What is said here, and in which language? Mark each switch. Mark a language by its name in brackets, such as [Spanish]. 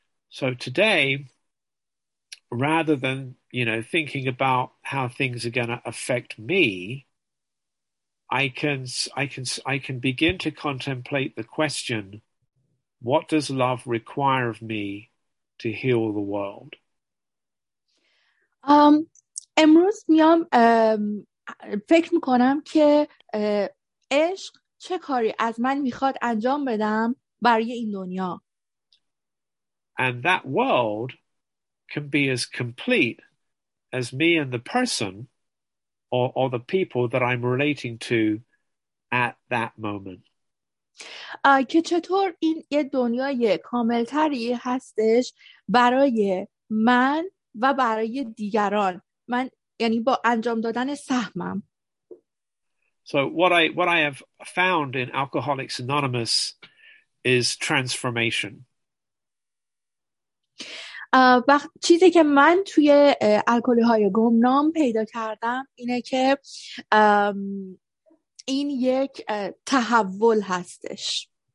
[English] So today, rather than, you know, thinking about how things are going to affect me, I can begin to contemplate the question, what does love require of me to heal the world? [Persian] امروز میام فکر میکنم که عشق چه کاری از من میخواد انجام بدم برای این دنیا. [English] And that world can be as complete as me and the person or the people that I'm relating to at that moment. [Persian] که چطور این یه دنیای کاملتری هستش برای من و برای دیگران. من یعنی با انجام دادن سهمم. [English] So what I have found in Alcoholics Anonymous is transformation. [Persian] چیزی که من توی الکلی‌های گمنام پیدا کردم اینه که این یک تحول هستش.